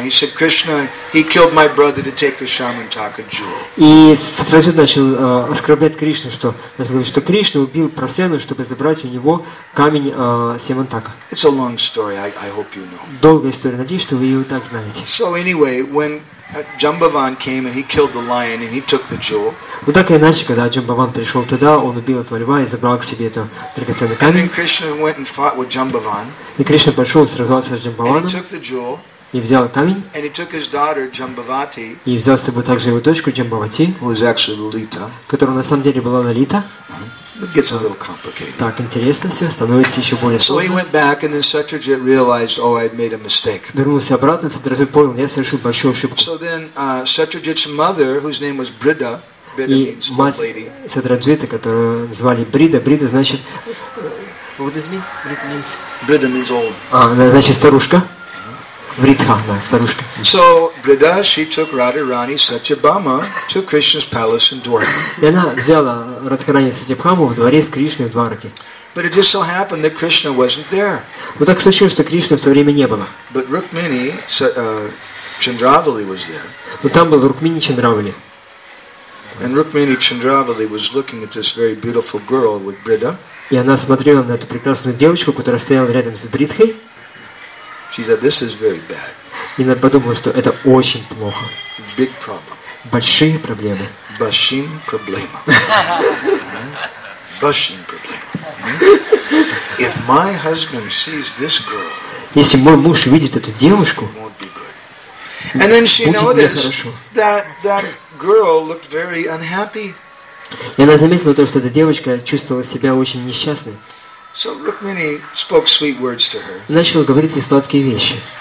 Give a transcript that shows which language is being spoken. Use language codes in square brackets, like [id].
[en] He said, Krishna, he killed my brother to take the Shamantaka jewel. [ru] И Satyajit начал оскорблять Кришну, что Кришна убил Prasena, чтобы забрать у него камень Семантака. [en] It's a long story. I hope you know. [ru] Долгая история. Надеюсь, что вы ее так знаете. [en] So anyway, when Jambavan came and he killed the lion and he took the jewel. [ru] Ну так и иначе, когда Джамбаван пришел туда, он убил этого льва и забрал к себе эту драгоценную камень. [en] And then Krishna went and fought with Jambavan. [ru] И Кришна пошел и сражался с Джамбаваном. [en] And he took the jewel. [ru] И взял камень. [en] And he took his daughter Jambavati. [ru] И взял с собой также его дочку Джамбавати. [en] Who was actually Lalita. [ru] Которая на самом деле была Лалита. [en] It gets a little complicated. [ru] Так интересно все становится еще более сложно. [en] So he went back and then Satyajit realized, oh, I made a mistake. [ru] Вернулся обратно, Сатаджит понял, я совершил большую ошибку. [en] So then Satyajit's mother, whose name was Brida, [ru] и мать Сатаджита, которую звали Брида, Брида значит, [en] what does it mean? Brida means. Brida means old. [ru] Она значит старушка. Вритха, да, старушка. [en] So Brida, she took Radharani Satyabhama to Krishna's palace in Dwarka. [ru] И она взяла Радхарани Сатьябхаму в дворец Кришны в Двараке. [en] But it just so happened that Krishna wasn't there. [ru] Вот так случилось, что Кришны в то время не было. [en] But Rukmini Chandravali was there. [ru] Но там был Рукмини Чандравали. [en] And Rukmini Chandravali was looking at this very beautiful girl with Brida. [ru] И она смотрела на эту прекрасную девочку, которая стояла рядом с Бридхой. [en] She said, "This is very bad." [ru] И она подумала, что это очень плохо. [en] Big problem. [ru] Большие проблемы. Bashing problema. Bashing problema. [en] If my husband sees this girl, [ru] если мой муж видит эту девушку, [en] won't be good. And then she noticed that girl looked very unhappy. [ru] И она заметила то, что эта девочка чувствовала себя очень несчастной. [en] So Rukmini spoke sweet words to her. [ru] Начала говорить ей сладкие вещи.